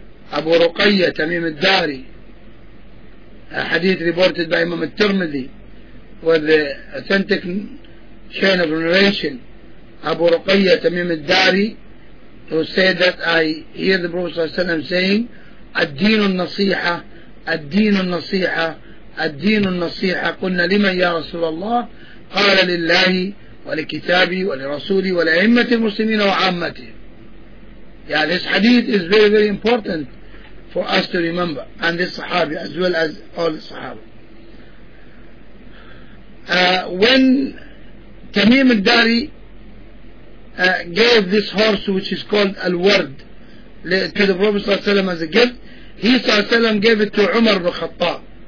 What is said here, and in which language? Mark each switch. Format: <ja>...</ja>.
<en>Abu Ruqayya, Tamim al-Dari, a hadith reported by Imam al-Tirmidhi, where the authentic chain of narration Abu Ruqayyah Tamim al-Dari, who said that I hear the Prophet Sallallahu Alaihi Wasallam saying,</en> <ar>الدين النصيحة الدين النصيحة</ar> <en>الدين النصيحة.</en> <ar>قلنا لمن يا رسول الله؟ قال لله ولكتابه ولرسوله ولأئمة المسلمين وعامته.</ar> <en>Yeah, this hadith is very very important for us to remember, and this Sahabi as well as all the Sahaba. When Tamim al-Dari gave this horse, which is called Al-Ward, to the Prophet ﷺ as a gift, he ﷺ gave it to Umar ibn Khattab.</en>